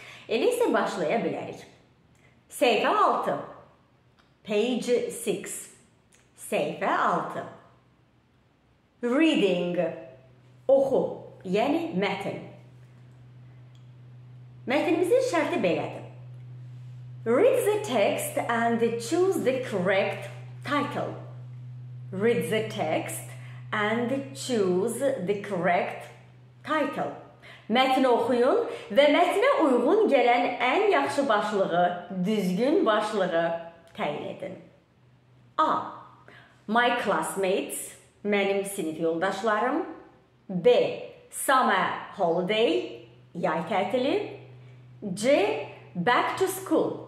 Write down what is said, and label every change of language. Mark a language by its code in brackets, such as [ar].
[az] Elə isə başlaya bilərik. Səhifə 6. [en] Page 6. [az] Səhifə 6. Reading. Oxu, yəni mətn. Mətnimizin şərti belədir. [en] Read the text and choose the correct title. Read the text and choose the correct title. [az] Mətni oxuyun və mətnə uyğun gələn ən yaxşı başlığı, düzgün başlığı təyin edin. A. [en] My classmates, [az] mənim sinif yoldaşlarım. [en] B. Summer holiday, [az] yay tətili. [en] C. Back to school.